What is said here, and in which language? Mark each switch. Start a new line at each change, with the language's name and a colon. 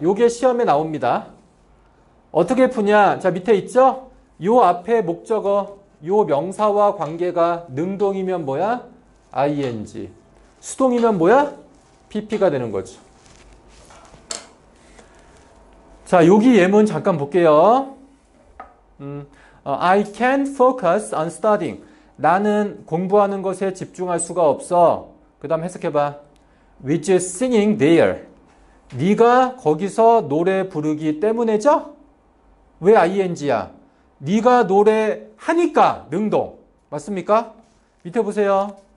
Korean: 요게 시험에 나옵니다. 어떻게 푸냐? 자, 밑에 있죠? 요 앞에 목적어, 요 명사와 관계가 능동이면 뭐야? ing. 수동이면 뭐야? pp가 되는 거죠. 자, 여기 예문 잠깐 볼게요.
English: I can't focus on studying.
Korean: 나는 공부하는 것에 집중할 수가 없어. 그 다음 해석해봐.
English: Which is singing there?
Korean: 네가 거기서 노래 부르기 때문에죠? 왜 ing야? 네가 노래 하니까 능동. 맞습니까? 밑에 보세요.